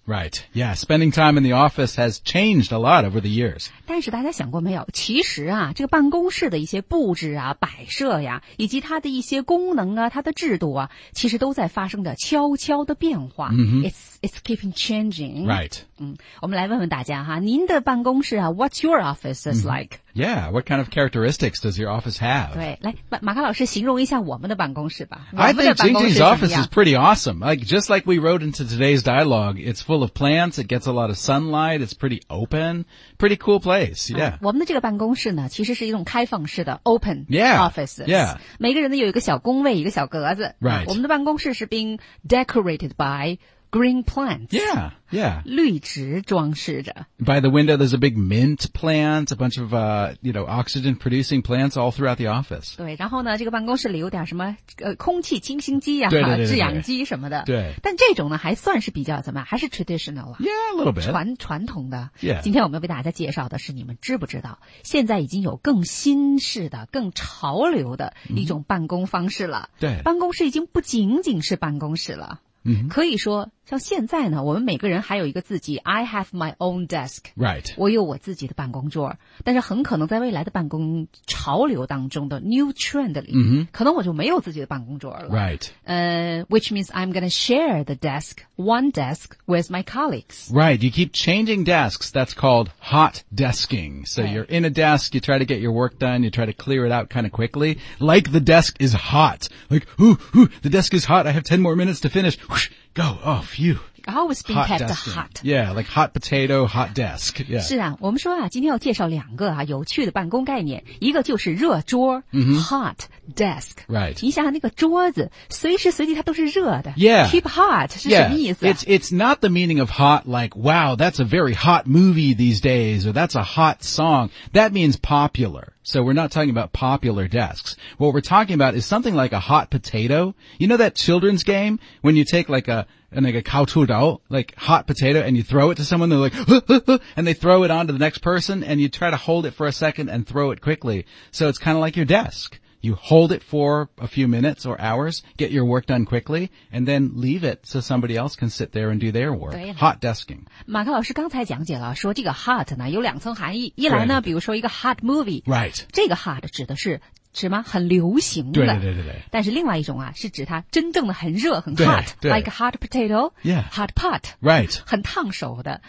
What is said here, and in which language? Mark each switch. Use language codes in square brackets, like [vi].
[en] Right, yeah, spending time in the office has changed a lot over the years. [zh] 但是大家想过没有，其实啊，这个办公室的一些布置啊、摆设呀，以及它的一些功能啊、它的制度啊，其实都在发生着悄悄的变化。 [en] It's keeping changing. Right. [zh] 我们来问问大家哈，您的办公室啊 , [en] what's your office is like? Yeah, what kind of characteristics does your office have? [zh] 对，来，马克老师形容一下我们的办公室吧。 [en] I think Jing Jing's office is pretty awesome. Like, just like we wrote into today's dialogue, it's full of plants, it gets a lot of sunlight, it's pretty open, pretty cool place, yeah. [zh] 我们的这个办公室呢，其实是一种开放式的 [en] open offices. Yeah. [zh] 每个人呢有一个小工位，一个小格子。 [en] Right. [zh] 我们的办公室是 [en] being decorated by... Green plants. Yeah, yeah. [zh] 绿植装饰着。 [en] By the window, there's a big mint plant, a bunch of, oxygen producing plants all throughout the office. [zh] 对，然后呢，这个办公室里有点什么，空气清新机呀、啊、制氧机什么的。对。但这种呢，还算是比较怎么，还是 traditional 啊。 [en] Yeah, a little bit. [zh] 传统的。 [en] Yeah. [zh] 今天我们要为大家介绍的是，你们知不知道，现在已经有更新式的、更潮流的一种办公方式了。对、mm-hmm.。办公室已经不仅仅是办公室了。可以说像现在呢，我们每个人还有一个自己 [en] I have my own desk. Right. [zh] 我有我自己的办公桌，但是很可能在未来的办公潮流当中的 [en] new trend [zh] 里、 mm-hmm. 可能我就没有自己的办公桌了。 [en] Right. Which means I'm going to share the desk, one desk with my colleagues. Right. You keep changing desks. That's called hot desking. So you're in a desk, you try to get your work done, you try to clear it out kind of quickly. Like the desk is hot. Like, ooh, ooh, the desk is hot. I have 10 more minutes to finish. Go, oh, phew. Always being kept hot. Yeah, like hot potato, hot desk. Yeah. [zh] 是啊，我们说啊，今天要介绍两个啊有趣的办公概念，一个就是热桌、hot desk. [en] Right. [zh] 你想想那个桌子，随时随地它都是热的。 [en] Yeah. [zh] Keep hot 是什么意思、啊、 [en] It's not the meaning of hot like, wow, that's a very hot movie these days, or that's a hot song. That means popular. So we're not talking about popular desks. What we're talking about is something like a hot potato. You know that children's game? When you take like a 烤土豆, like hot potato, and you throw it to someone, they're like, and they throw it onto the next person, and you try to hold it for a second and throw it quickly. So it's kind of like your desk. You hold it for a few minutes or hours, get your work done quickly, and then leave it so somebody else can sit there and do their work. Hot desking. [zh] 马克老师刚才讲解了，说这个 hot 呢有两层含义。一来呢，比如说一个 hot movie. [en] Right. [zh] 这个 hot 指的是什么？很流行的。对对对对对。但是另外一种啊，是指它真正的很热，很 hot. [en] Like a hot potato. Yeah. Hot pot. Right. [zh] 很烫手的。